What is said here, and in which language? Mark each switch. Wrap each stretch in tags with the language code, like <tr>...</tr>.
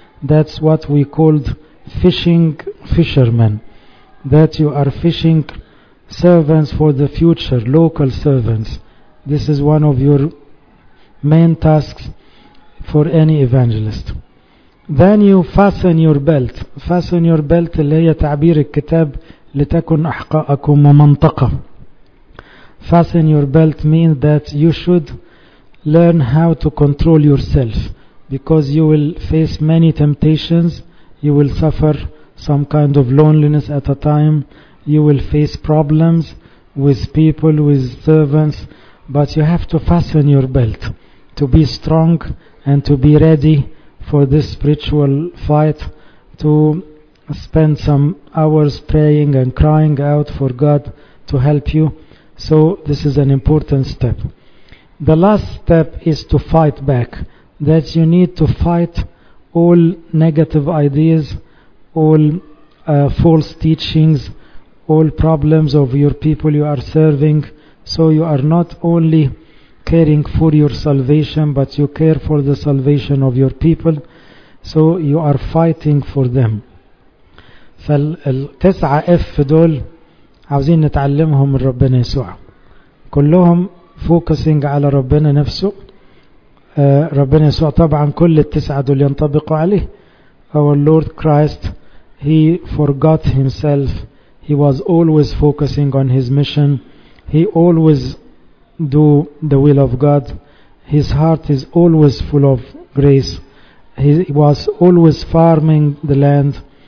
<en>That's what we called fishing fishermen. That you are fishing servants for the future, local servants. This is one of your main tasks for any evangelist. Then you fasten your belt. Fasten your belt,</en> <ar>اللي هي تعبير الكتاب لتكن أحقاءكم ومنطقة.</ar> <en>Fasten your belt means that you should learn how to control yourself, because you will face many temptations, you will suffer some kind of loneliness at a time, you will face problems with people, with servants, but you have to fasten your belt to be strong and to be ready for this spiritual fight, to spend some hours praying and crying out for God to help you. So this is an important step. The last step is to fight back, that you need to fight all negative ideas, all false teachings, all problems of your people you are serving, so you are not only caring for your salvation, but you care for the salvation of your people, so you are fighting for them.</en> <ar>فالتسعة F دول عاوزين نتعلمهم من ربنا يسوع. كلهم</ar> <en>focusing</en> <ar>على ربنا نفسه. ربنا يسوع طبعا كل التسعة دول ينطبقوا عليه.</ar> <en>Our Lord Christ, He forgot Himself. He was always focusing on His mission. He always do the will of God. His heart is always full of grace. He was always farming the land.</en>